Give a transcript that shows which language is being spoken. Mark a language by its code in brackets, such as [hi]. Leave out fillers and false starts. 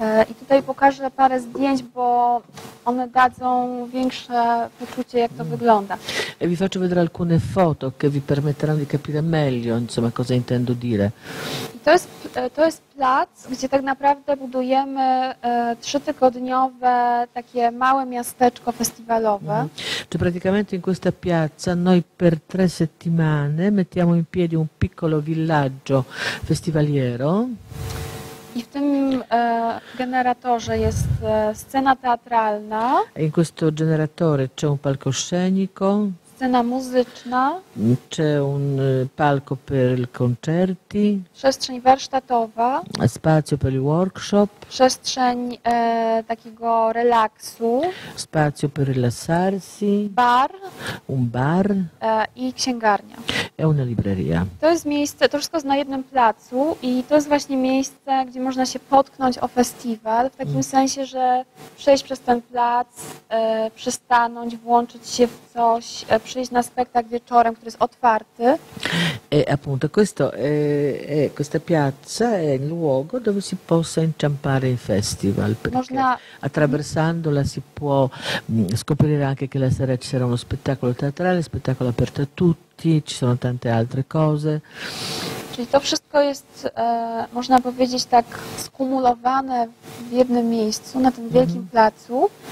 [pl] I tutaj pokażę parę zdjęć, bo one dadzą większe poczucie, jak to wygląda. [it] E vi faccio vedere alcune foto che vi permetteranno di capire meglio, insomma, cosa intendo dire. [pl] I to jest plac, gdzie tak naprawdę budujemy trzytygodniowe takie małe miasteczko festiwalowe. [it] Cioè praticamente in questa piazza noi per tre settimane mettiamo in piedi un piccolo villaggio festivaliero. [pl] I w tym generatorze jest scena teatralna. [it] In questo generatore c'è un palcoscenico. [pl] Scena muzyczna. [it] C'è un palco per i concerti. [pl] Przestrzeń warsztatowa. [it] Spazio per i workshop. [pl] Przestrzeń takiego relaksu. [it] Spazio per rilassarsi. [pl] Bar. [it] Un bar. [pl] I księgarnia. [it] È una libreria. [pl] To jest miejsce, to wszystko jest na jednym placu i to jest właśnie miejsce, gdzie można się potknąć o festiwal, w takim sensie, że przejść przez ten plac, przystanąć, włączyć się w coś, przyjść na spektakl wieczorem, który jest otwarty. [it] E appunto questo questa piazza è il luogo dove si possa inciampare in festival, perché [pl] można, [it] attraversandola si può scoprire anche che la sera ci sarà uno spettacolo teatrale, spettacolo aperto a tutti. Ci sono tante altre cose. [pl] Czyli to wszystko jest, można powiedzieć, tak skumulowane w jednym miejscu, na tym wielkim placu.